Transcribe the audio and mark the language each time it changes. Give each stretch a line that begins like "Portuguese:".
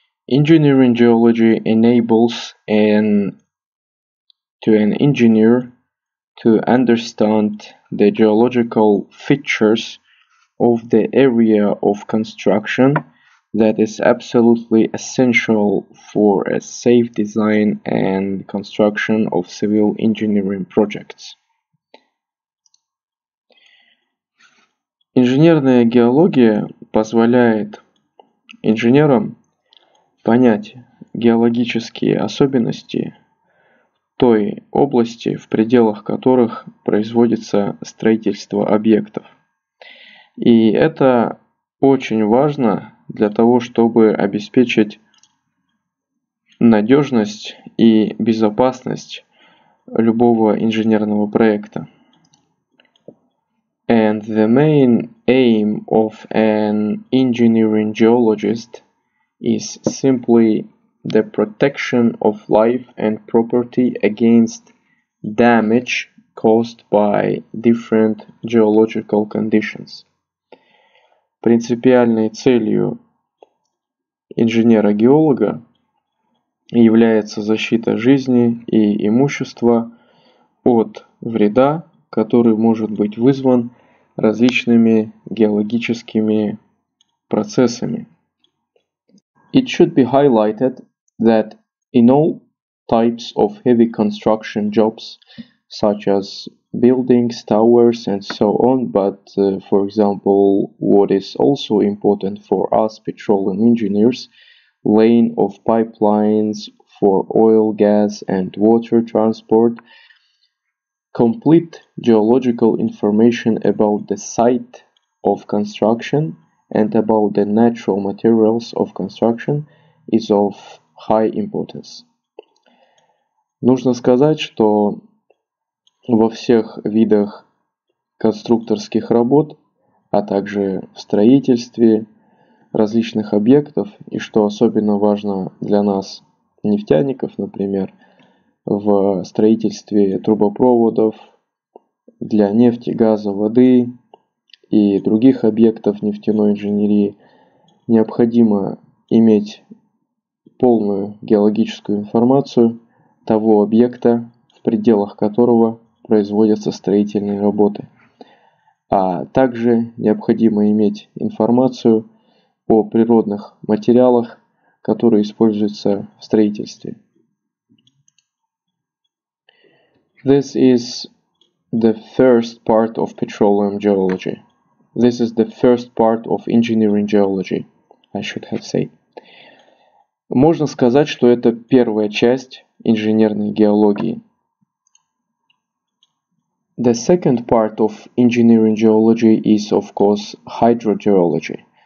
English: Engineering geology enables an engineer to understand the geological features of the area of construction that is absolutely essential for a safe design and construction of civil engineering projects.
Russian: Инженерная геология позволяет инженерам понять геологические особенности той области, в пределах которых производится строительство объектов. И это очень важно для того, чтобы обеспечить надежность и безопасность любого инженерного проекта.
English: And the main aim of an engineering geologist is simply the protection of life and property against damage caused by different geological conditions.
Russian: Принципиальной целью инженера-геолога является защита жизни и имущества от вреда, который может быть вызван различными геологическими процессами.
English: It should be highlighted that in all types of heavy construction jobs, such as buildings, towers, and so on, but for example, what is also important for us petroleum engineers, laying of pipelines for oil, gas, and water transport, complete geological information about the site of construction and about the natural materials of construction is of high importance.
Russian: Нужно сказать, что во всех видах конструкторских работ, а также в строительстве различных объектов, и что особенно важно для нас, нефтяников, например, в строительстве трубопроводов для нефти, газа, воды и других объектов нефтяной инженерии, необходимо иметь полную геологическую информацию того объекта, в пределах которого производятся строительные работы. А также необходимо иметь информацию о природных материалах, которые используются в строительстве.
English: This is the first part of petroleum geology. This is the first part of engineering geology, I should have said.
Russian: Можно сказать, что это первая часть инженерной геологии.
English: The second part of engineering geology is, of course, hydrogeology.